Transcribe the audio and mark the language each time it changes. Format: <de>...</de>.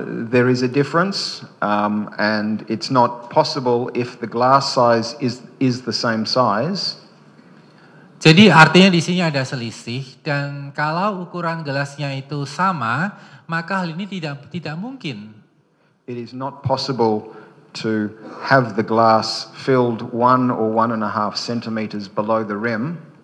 <en>There is a difference, and it's not possible if the glass size is the same size.</en> <id>Jadi artinya di sini ada selisih, dan kalau ukuran gelasnya itu sama, maka hal ini tidak mungkin.</id> <en>It is not possible to have the glass filled 1 or 1.5 centimeters below the rim.</en>